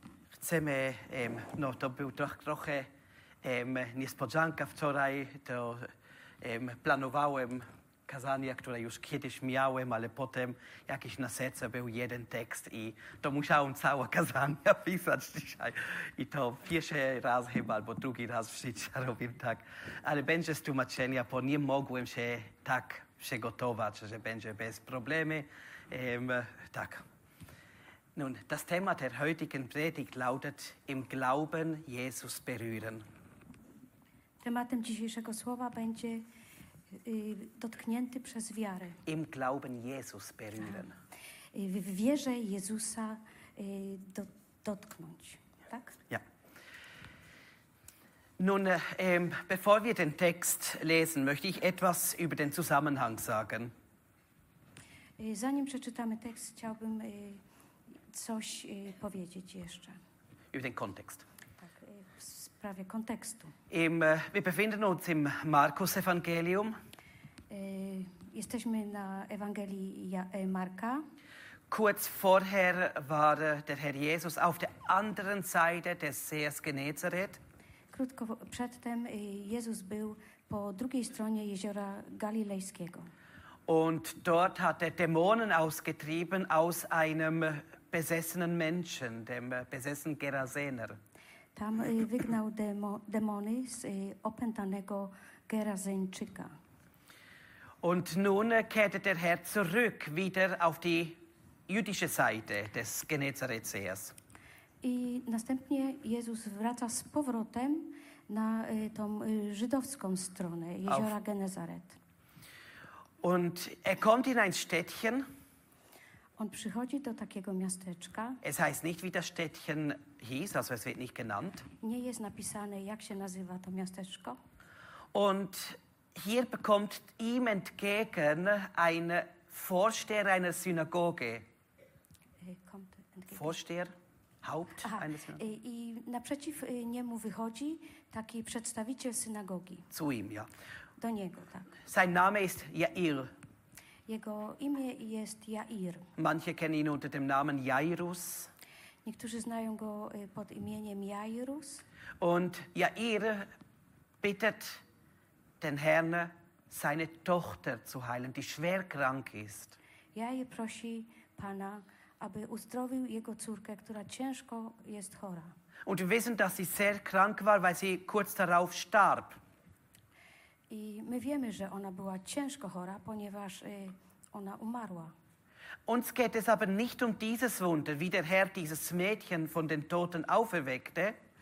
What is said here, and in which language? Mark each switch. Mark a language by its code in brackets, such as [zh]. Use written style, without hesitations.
[pl] Chcemy, no to był trochę niespodzianka wczoraj, to planowałem kazania, które już kiedyś miałem, ale potem jakiś na serce był jeden tekst i to musiałem całe kazania pisać dzisiaj. I to pierwszy raz chyba, albo drugi raz w życiu robię tak. Ale będzie z tłumaczenia, bo nie mogłem się tak przygotować, że będzie bez problemy. Tak. [de] Nun, das Thema der heutigen Predigt lautet im Glauben Jesus berühren. [pl] Tematem dzisiejszego słowa będzie dotknięty przez wiarę. [de] Im Glauben Jesus berühren. [pl] W wierze Jezusa dotknąć, tak? [de] Ja. Nun, bevor wir den Text lesen, möchte ich etwas über den Zusammenhang sagen. [pl] Zanim przeczytamy tekst, chciałbym coś powiedzieć jeszcze. [de] Über den Kontext. [pl] Tak, w sprawie kontekstu. [de] Wir befinden uns im Markus Evangelium. [pl] Jesteśmy na Ewangelii Marka. [de] Kurz vorher war der Herr Jesus auf der anderen Seite des Sees Genezareth. [pl] Krótko przedtem Jezus był po drugiej stronie jeziora Galilejskiego. [de] Und dort hat er Dämonen ausgetrieben aus einem besessenen Menschen, dem besessenen Gerasener. [pl] Tam wygnał demony z opętanego Gerazeńczyka. [de] Und nun kehrte der Herr zurück wieder auf die jüdische Seite des Genezaretsees. [pl] I następnie Jezus wraca z powrotem na tą żydowską stronę jeziora Genezaret. [de] Und er kommt in ein Städtchen. [pl] On przychodzi do takiego miasteczka. [de] Es heißt nicht, wie das Städtchen hieß, also es wird nicht genannt. [pl] Nie jest napisane, jak się nazywa to miasteczko. [de] Und hier bekommt ihm entgegen ein Vorsteher einer Synagoge. Kommt entgegen. Vorsteher, Haupt einer Synagoge. [pl] I naprzeciw niemu wychodzi taki przedstawiciel synagogi. [de] Zu ihm, ja. [pl] Do niego, tak. [de] Sein Name ist Jair. [pl] Jego imię jest Jair. [de] Manche kennen ihn unter dem Namen Jairus. [pl] Niektórzy znają go pod imieniem Jairus. [de] Und Jair bittet den Herrn, seine Tochter zu heilen, die schwer krank ist. [pl] Jair prosi Pana, aby uzdrowił jego córkę, która ciężko jest chora. [de] Und wir wissen, dass sie sehr krank war, weil sie kurz darauf starb. [pl] I my wiemy, że ona była ciężko chora, ponieważ ona umarła. [de] Uns geht es aber nicht um dieses Wunder, wie der Herr dieses Mädchen von den Toten auferweckte.